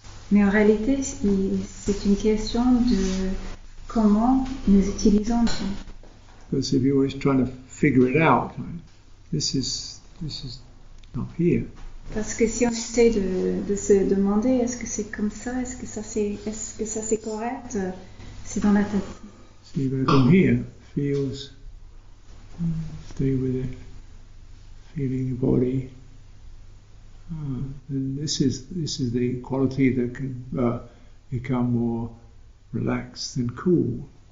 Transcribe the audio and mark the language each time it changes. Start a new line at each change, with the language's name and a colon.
French: Mais en réalité, c'est une question de comment nous utilisons ça.
English: Because if you're always trying to figure it out, this is not here.
French: Parce que si on essaie de se demander, est-ce que c'est comme ça, est-ce que ça c'est correct, c'est dans la tête.
English: So you're going to come here, feels, stay with it, feeling your body. And this is the quality that can become more relaxed and cool.